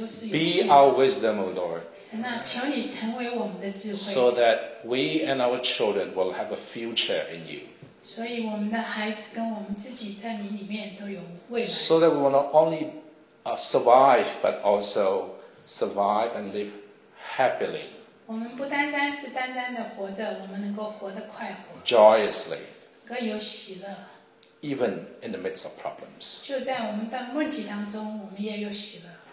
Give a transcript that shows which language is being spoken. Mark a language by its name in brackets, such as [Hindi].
[English] Be our wisdom, O Lord, so that we and our children will have a future in you. [Chinese] 所以我们的孩子跟我们自己在你里面都有未来。 [English] So that we will not only survive, but also survive and live happily. [Chinese] 我们不单单是单单的活着，我们能够活得快活。 [English] Joyously. [Chinese] 更有喜乐。 [English] Even in the midst of problems. [Chinese] 就在我们的问题当中，我们也有喜乐。